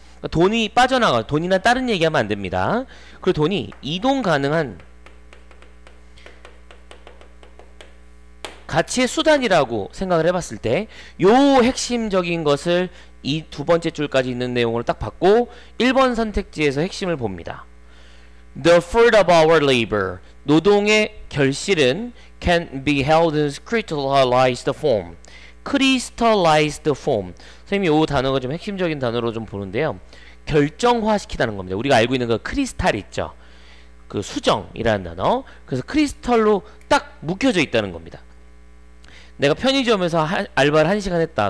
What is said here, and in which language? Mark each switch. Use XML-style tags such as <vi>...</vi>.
<ko>돈이 빠져나가, 돈이나 다른 얘기하면 안 됩니다. 그리고 돈이 이동 가능한 가치의 수단이라고 생각을 해봤을 때 요 핵심적인 것을 이 두 번째 줄까지 있는 내용으로 딱 받고 1번 선택지에서 핵심을 봅니다.</ko> <en>The fruit of our labor,</en> <ko>노동의 결실은</ko> <en>can be held in crystallized form. Crystallized form.</en> <ko>선생님이 이 단어가 좀 핵심적인 단어로 좀 보는데요. 결정화시키다는 겁니다. 우리가 알고 있는 그 크리스탈 있죠. 그 수정이라는 단어. 그래서 크리스탈로 딱 묶여져 있다는 겁니다. 내가 편의점에서 알바를 한 시간 했다.</ko>